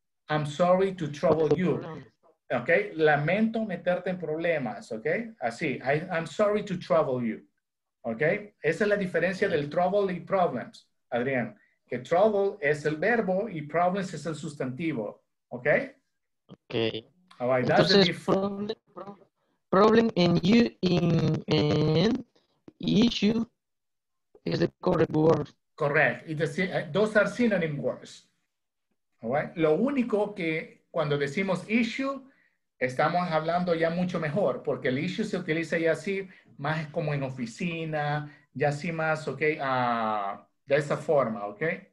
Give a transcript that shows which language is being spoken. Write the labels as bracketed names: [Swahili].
[English] I'm sorry to trouble you. Okay. [Spanish] Lamento meterte en problemas. [English] Okay. Así. I'm sorry to trouble you. Okay. [Spanish] Esa es la diferencia del trouble y problems, Adrián. Que trouble es el verbo y problems es el sustantivo. [English] Okay. Okay. All right. That's the difference. Problem and you in issue is the correct word. Correct. Those are synonym words. All right. [Spanish] Lo único que cuando decimos issue, estamos hablando ya mucho mejor, porque el issue se utiliza ya así, más como en oficina, ya así más, ok, de esa forma, ok.